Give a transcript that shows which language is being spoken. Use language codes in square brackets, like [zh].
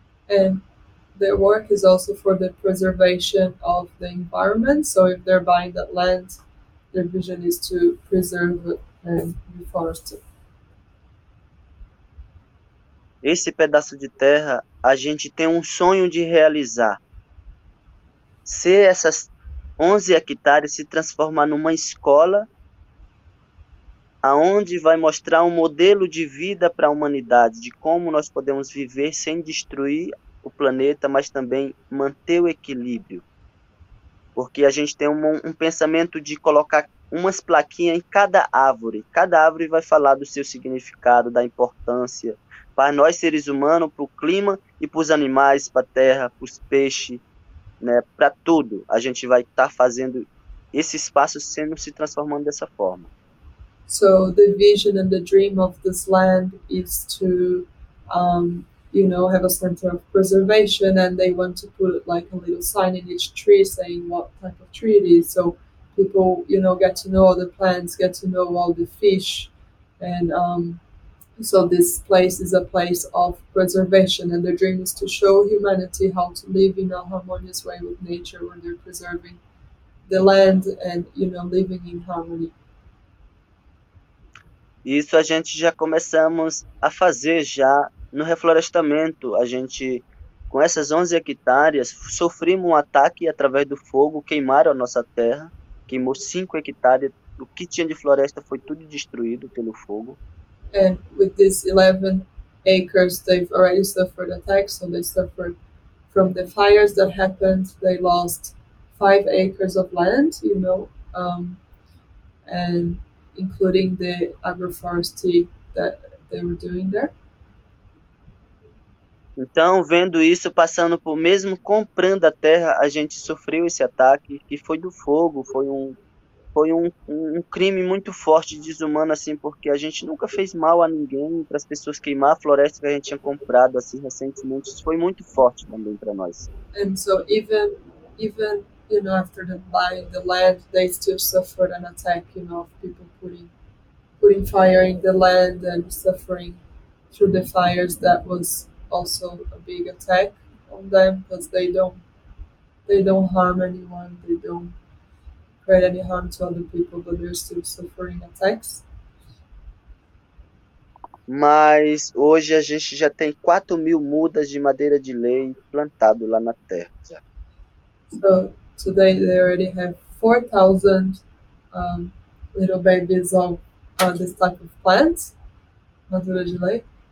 [en] And their work is also for the preservation of the environment. So if they're buying that land, their vision is to preserve and reforest it. [pt] Esse pedaço de terra, a gente tem um sonho de realizar. Se essas 11 hectares se transformar numa escola, aonde vai mostrar um modelo de vida para a humanidade, de como nós podemos viver sem destruir o planeta, mas também manter o equilíbrio. Porque a gente tem um pensamento de colocar umas plaquinhas em cada árvore. Cada árvore vai falar do seu significado, da importância para nós seres humanos, para o clima e para os animais, para a terra, para os peixes. Né, para tudo, a gente vai estar fazendo esse espaço sendo se transformando dessa forma. [en] So the vision and the dream of this land is to have a center of preservation, and they want to put like a little sign in each tree saying what type of tree it is, so people, get to know all the plants, get to know all the fish. And so this place is a place of preservation, and the dream is to show humanity how to live in a harmonious way with nature when they're preserving the land and, living in harmony. [pt] Isso a gente já começamos a fazer já no reflorestamento. A gente, com essas 11 hectares, sofrimos um ataque através do fogo, queimaram a nossa terra, queimou 5 hectares, o que tinha de floresta foi tudo destruído pelo fogo. [en] And with these 11 acres, they've already suffered attacks, so they suffered from the fires that happened. They lost 5 acres of land, and including the agroforestry that they were doing there. [pt] Então, vendo isso, passando por mesmo comprando a terra, a gente sofreu esse ataque, que foi do fogo, foi um crime muito forte, desumano, assim, porque a gente nunca fez mal a ninguém, para as pessoas queimar a floresta que a gente tinha comprado assim recentemente. Isso foi muito forte também para nós. [en] And so even after the buying the land, they still suffered an attack, of people putting fire in the land and suffering through the fires. That was also a big attack on them, because they don't harm anyone, they don't create any harm to other people, but they're still suffering attacks. [pt] Mas hoje a gente já tem 4.000 mudas de madeira de lei plantado lá na terra. [en] So today they already have 4,000 little babies of this type of plants, [pt] madeira de lei,